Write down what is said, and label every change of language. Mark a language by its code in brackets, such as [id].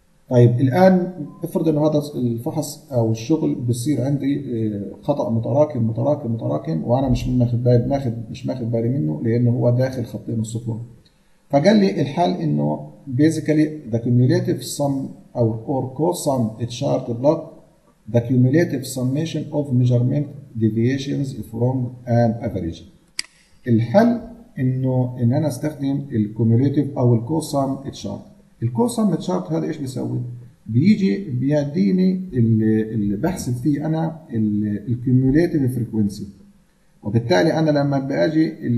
[ar] طيب الآن افرض أنه هذا الفحص أو الشغل بيصير عندي خطأ متراكم متراكم متراكم وأنا مش ماخد بالي منه لأنه هو داخل خطين الصفر. فقال لي الحال أنه [en] basically the cumulative sum or cosine chart block the cumulative summation of measurement deviations from an average. [ar] الحل إن أنا استخدم cumulative أو cosine chart. cosine chart هذا إيش بيسوي؟ بيجي بيعديني اللي بحسب فيه أنا cumulative frequency، وبالتالي أنا لما بأجي